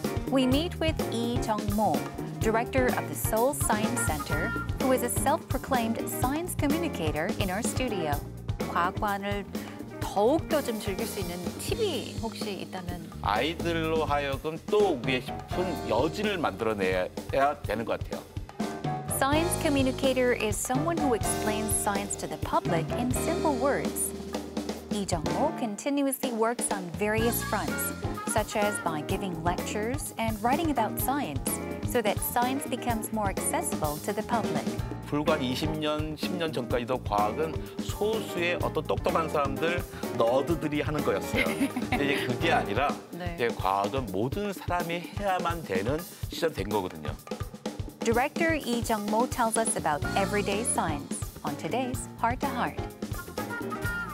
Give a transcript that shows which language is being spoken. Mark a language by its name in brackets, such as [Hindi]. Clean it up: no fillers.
[English] We meet with Lee Jung-mo, director of the Seoul Science Center, who is a self-proclaimed science communicator in our studio. [Korean] 과학관을 더욱더 좀 즐길 수 있는 팁이 혹시 있다면? 아이들로 하여금 또 오기 싶은 여지를 만들어내야 되는 것 같아요. [English] Science communicator is someone who explains science to the public in simple words. Lee Jung-mo continuously works on various fronts, such as by giving lectures and writing about science, so that science becomes more accessible to the public. [Korean] 불과 20년, 10년 전까지도 과학은 소수의 어떤 똑똑한 사람들, 너드들이 하는 거였어요. 근데 이제 그게 아니라 이제 과학은 모든 사람이 해야만 되는 시대가 된 거거든요. [English] Director Lee Jung-mo tells us about everyday science on today's Heart to Heart.